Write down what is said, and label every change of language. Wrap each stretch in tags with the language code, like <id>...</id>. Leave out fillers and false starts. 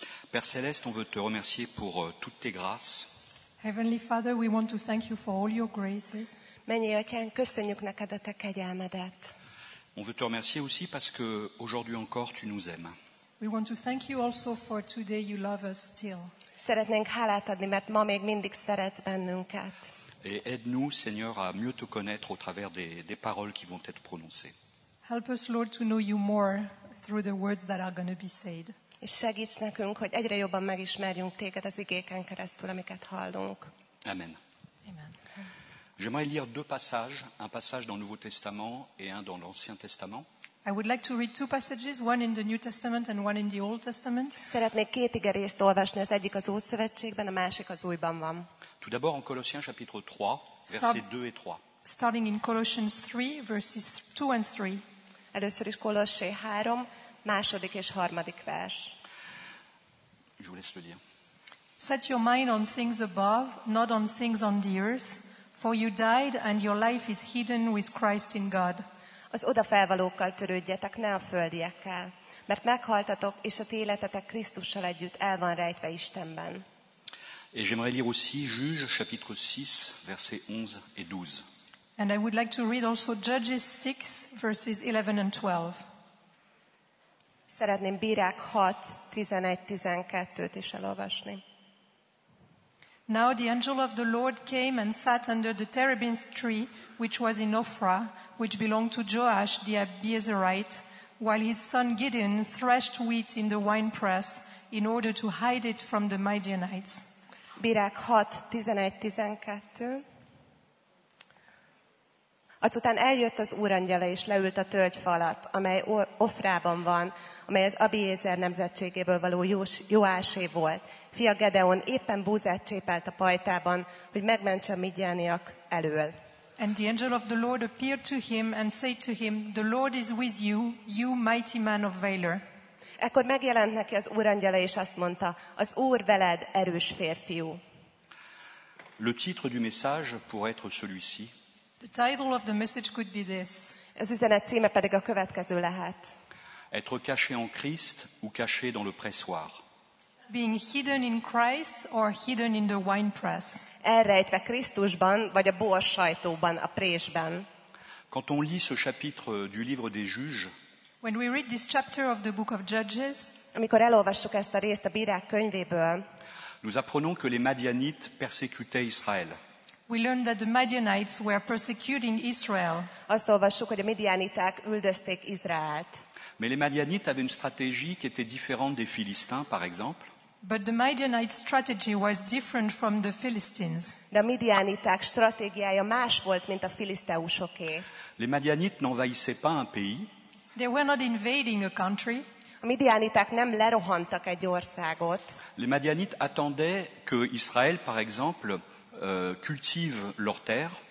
<fr>Père céleste, on veut te remercier pour toutes tes grâces.</fr> <en>Heavenly Father, we want to thank you for all your graces.</en> <hu>Mennyi atyánk, köszönjük neked a te kegyelmedet.</hu> <fr>On veut te remercier aussi parce que aujourd'hui encore tu nous aimes.</fr> <en>We want to thank you also for today you love us still.</en> <hu>Szeretnénk hálát adni, mert ma még mindig szeretsz bennünket.</hu> <fr>Et aide-nous, Seigneur, à mieux te connaître au travers des paroles qui vont être prononcées.</fr> <en>Help us, Lord, to know you more through the words that are going to be said.</en> <hu>És segíts nekünk, hogy egyre jobban megismerjünk téged az igéken keresztül, amiket hallunk. Amen.</hu> <fr>J'aimerais lire deux passages, un passage dans le Nouveau Testament et un dans l'Ancien Testament.</fr> <en>I would like to read two passages, one in the New Testament and one in the Old Testament.</en> <hu>Szeretnék két igerészt olvasni, az egyik az Ószövetségben, a másik az Újban van.</hu> <fr>Tout d'abord en Colossiens chapitre 3, versets 2 et 3.</fr> <en>Starting in Colossians 3, verses 2 and 3.</en> <hu>Először is Kolossé 3, második és harmadik vers.</hu> <fr>Je vous laisse le lire.</fr> <en>Set your mind on things above, not on things on the earth. For you died and your life is hidden with Christ in God.</en> <hu>Az odafelvalókkal törődjetek, ne a földiekkel, mert meghaltatok, és a ti életetek Krisztussal együtt el van rejtve Istenben.</hu> <fr>Et j'aimerais lire aussi Juges chapitre 6 versets 11 et 12.</fr> <en>And I would like to read also Judges 6 verses 11 and 12.</en> <hu>Szeretném Bírák 6 11-12-t is elolvasni.</hu> <en>Now the angel of the Lord came and sat under the terebinth tree, which was in Ophrah, which belonged to Joash the Abiezerite, while his son Gideon threshed wheat in the winepress in order to hide it from the Midianites.</en> <hu>Bírák 6, 11-12. Azután eljött az Úr angyala, és leült a tölgyfa alatt, amely Ofrában van, amely az Abiézer nemzetségéből való Joásé volt. Fia Gedeon éppen búzát csépelt a pajtában, hogy megmentse a midjániak elől.</hu> <en>And the angel of the Lord appeared to him and said to him, the Lord is with you, you mighty man of valor.</en> <hu>Ekkor megjelent neki az Úr angyala, és azt mondta, az Úr veled, erős férfiú.</hu> <fr>Le titre du message pourrait être celui-ci.</fr> <en>The title of the message could be this.</en> <hu>Az üzenet címe pedig a következő lehet.</hu> <fr>Être caché en Christ ou caché dans le pressoir.</fr> <en>Being hidden in Christ or hidden in the wine press.</en> <hu>Elrejtve Krisztusban vagy a borsajtóban, a présben.</hu> <fr>Quand on lit ce chapitre du livre des juges,</fr> <en>when we read this chapter of the book of Judges,</en> <hu>amikor elolvassuk ezt a részt a Bírák könyvéből,</hu> <fr>nous apprenons que les Madianites persécutaient Israël.</fr> <en>We learned that the Midianites were persecuting Israel.</en> <hu>Azt olvassuk, hogy a Midianiták üldözték Izraelt.</hu> <fr>Mais les Midianites avaient une stratégie qui était différente des Philistins, par exemple.</fr> <en>But the Midianite strategy was different from the Philistines.</en> <hu>De a Midianiták stratégiája más volt, mint a filiszteusoké.</hu> <fr>Les Midianites n'envahissaient pas un pays.</fr> <en>They were not invading a country.</en> <hu>A Midianiták nem lerohantak egy országot.</hu> <fr>Les Midianites attendaient que Israël, par exemple, cultivent leur terre.</fr>